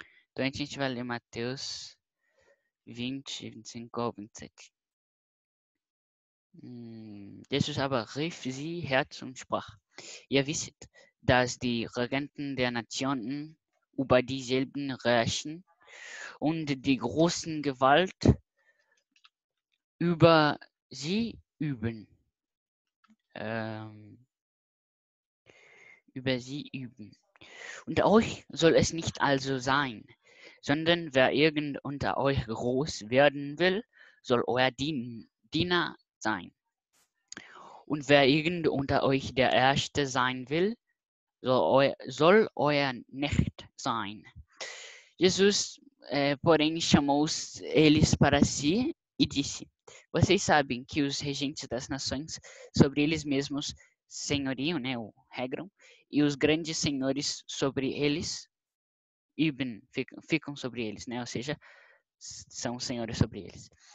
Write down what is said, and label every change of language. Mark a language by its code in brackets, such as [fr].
[pt] Então a gente vai ler Mateus 20, 25 ou 27. [de] Jesus aber rief sie her und sprach: Ihr wisst, dass die Regenten der Nationen über dieselben herrschen und die großen Gewalt über sie üben. Über sie üben. Und euch soll es nicht also sein, sondern wer irgend unter euch groß werden will, soll euer Diener sein. Und wer irgend unter euch der Erste sein will, soll euer Knecht sein. [pt] Jesus, porém, chamou-os eles para si e disse: Vocês sabem que os regentes das nações sobre eles mesmos senhoriam, né, ou regram, e os grandes senhores sobre eles ficam sobre eles, né? Ou seja, são senhores sobre eles.